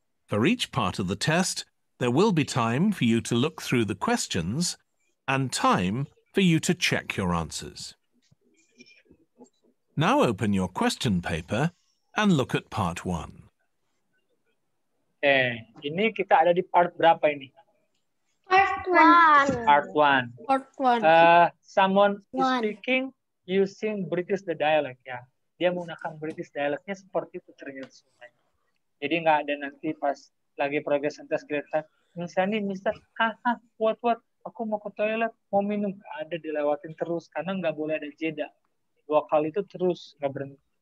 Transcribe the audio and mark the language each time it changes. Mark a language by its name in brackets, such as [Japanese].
[English] For each part of the test, there will be time for you to look through the questions and time for you to check your answers. Now open your question paper and look at part 1. Okay. [Indonesian] Ini kita ada di part berapa ini? [English] Part 1. Someone is speaking using British the dialect ya. [Indonesian] Dia menggunakan British dialect-nya seperti itu ternyata. Jadi enggak ada nanti pas lagi progression test kita misalnya Mister what aku mau ke toilet, mau minum. Ada dilewatin terus, karena nggak boleh ada jeda. 2 kali itu terus, nggak berhenti.